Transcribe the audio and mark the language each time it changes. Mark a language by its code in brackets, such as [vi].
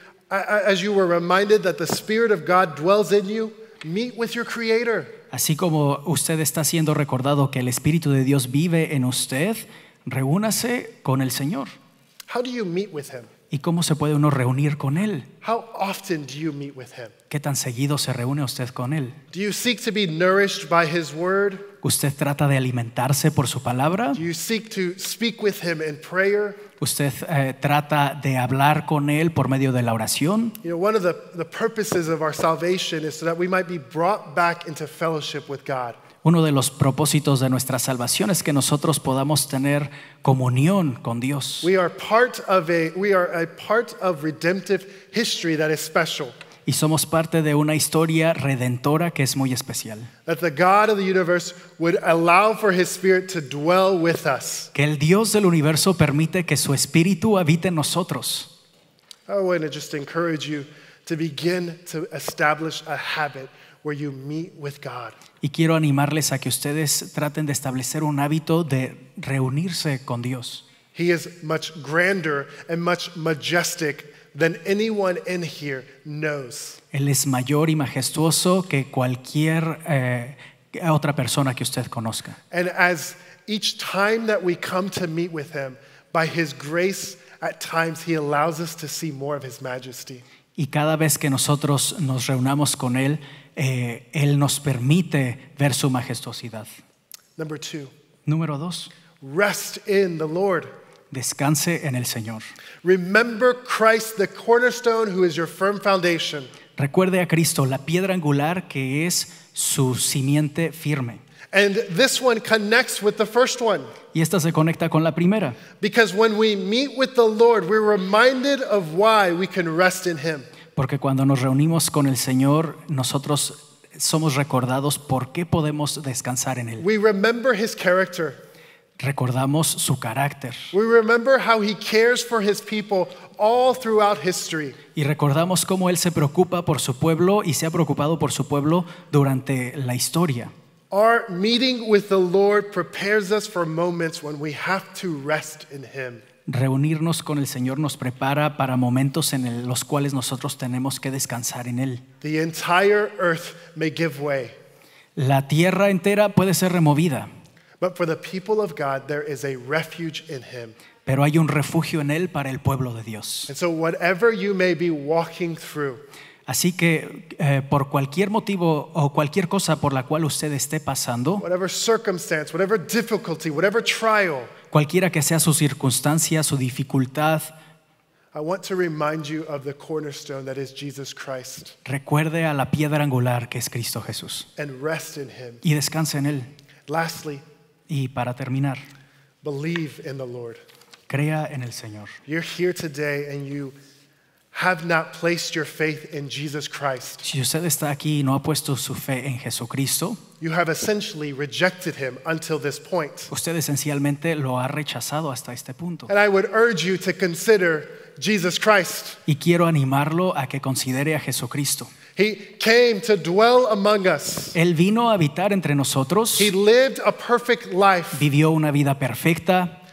[en] As you were reminded that the Spirit of God dwells in you, meet with your Creator. [es] Así como usted está siendo recordado que el Espíritu de Dios vive en usted, reúnase con el Señor. [en] How do you meet with him? [es] ¿Y cómo se puede uno reunir con él? [en] How often do you meet with him? [es] ¿Qué tan seguido se reúne usted con él? [en] Do you seek to be nourished by his word? [es] ¿Usted trata de alimentarse por su palabra? [en] Do you seek to speak with him in prayer? [es] ¿Usted trata de hablar con él por medio de la oración? [en] You know, one of the purposes of our salvation is so that we might be brought back into fellowship with God. [es] Uno de los propósitos de nuestra salvación es que nosotros podamos tener comunión con Dios. [en] We are a part of redemptive history that is special. [es] Y somos parte de una historia redentora que es muy especial. [en] That the God of the universe would allow for his spirit to dwell with us. [es] Que el Dios del universo permite que su espíritu habite en nosotros. [en] I want to just encourage you to begin to establish a habit where you meet with God. [es] Y quiero animarles a que ustedes traten de establecer un hábito de reunirse con Dios. [en] He is much grander and much majestic than anyone in here knows. [es] Él es mayor y majestuoso que cualquier otra persona que usted conozca. [en] And as each time that we come to meet with him, by his grace, at times he allows us to see more of his majesty. [es] Y cada vez que nosotros nos reunamos con él, él nos permite ver su majestuosidad. [en] Number two. [es] Número dos. [en] Rest in the Lord. [es] Descanse en el Señor. [en] Remember Christ, the cornerstone, who is your firm foundation. [es] Recuerde a Cristo, la piedra angular que es su simiente firme. [en] And this one connects with the first one. [es] Y esta se conecta con la primera. [en] Because when we meet with the Lord, we're reminded of why we can rest in him. [es] Porque cuando nos reunimos con el Señor, nosotros somos recordados por qué podemos descansar en él. [en] We remember his character. [es] Recordamos su carácter. [en] We remember how he cares for his people all throughout history. [es] Y recordamos cómo él se preocupa por su pueblo y se ha preocupado por su pueblo durante la historia. [en] Our meeting with the Lord prepares us for moments when we have to rest in him. [es] Reunirnos con el Señor nos prepara para momentos en los cuales nosotros tenemos que descansar en él. [en] The entire earth may give way. [es] La tierra entera puede ser removida. [en] But for the people of God, there is a refuge in him. [es] Pero hay un refugio en él para el pueblo de Dios. [en] And so whatever you may be walking through, [es] así que por cualquier motivo o cualquier cosa por la cual usted esté pasando, [en] whatever circumstance, whatever difficulty, whatever trial, [es] cualquiera que sea su circunstancia, su dificultad. [en] I want to remind you of the cornerstone that is Jesus Christ. [es] Recuerde a la piedra angular que es Cristo Jesús. [en] And rest in him. [es] Y descanse en él. [en] Lastly, [es] y para terminar, [en] believe in the Lord. [es] Crea en el Señor. [en] You're here today and you have not placed your faith in Jesus Christ. [es] Si usted está aquí y no ha puesto su fe en Jesucristo, [en] you have essentially rejected him until this point. [es] Usted esencialmente lo ha rechazado hasta este punto. [en] And I would urge you to consider Jesus Christ. [es] Y quiero animarlo a que considere a Jesucristo. [en] He came to dwell among us. [es] Él vino a habitar entre nosotros. [en] He lived a perfect life. [es] Vivió una vida perfecta.